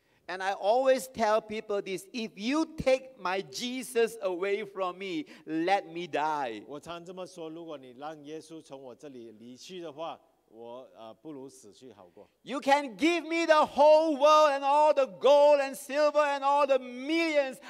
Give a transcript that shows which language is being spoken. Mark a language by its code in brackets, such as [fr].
[en] And I always tell people this, if you take my Jesus away from me, let me die. [zh] 我常这么说，如果你让耶稣从我这里离去的话， [en] You can give me the whole world and all the gold and silver and all the millions.